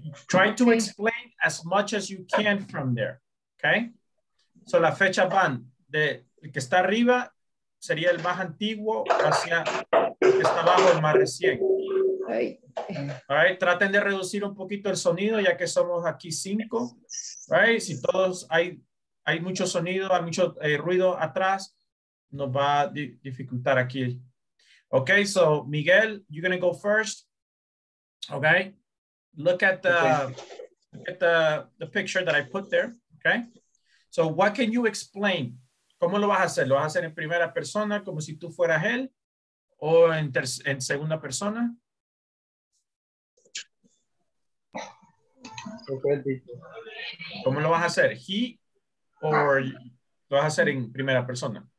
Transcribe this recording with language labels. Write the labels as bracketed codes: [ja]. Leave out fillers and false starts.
[en] Try to explain as much as you can from there. Okay. [es] So la fecha van de el que está arriba sería el más antiguo hacia el que está abajo, el más recién. [en] All right, [es] traten de reducir un poquito el sonido ya que somos aquí cinco. Right, si todos hay mucho sonido, hay mucho ruido atrás, nos va a dificultar aquí. [en] Okay, so Miguel, you're gonna go first. Okay, look at the picture that I put there. Okay, so what can you explain? [es] ¿Cómo lo vas a hacer? ¿Lo vas a hacer en primera persona como si tú fueras él o en segunda persona? ¿Cómo lo vas a hacer? He or Lo vas a hacer en primera persona.